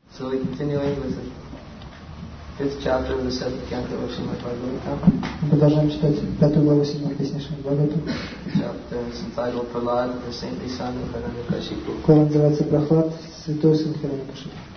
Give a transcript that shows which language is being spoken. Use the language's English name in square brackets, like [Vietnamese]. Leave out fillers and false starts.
[English] So we're continuing with the fifth chapter of the seventh canto of Srimad Bhagavatam. [Russian] Продолжаем читать пятую главу седьмой песни Шримад Бхагаватам. [English] Chapter is entitled Prahlad, the saintly son of Hiranyakashipu. [Russian] Глава называется Прохлад, святой сын Хиранякашипу.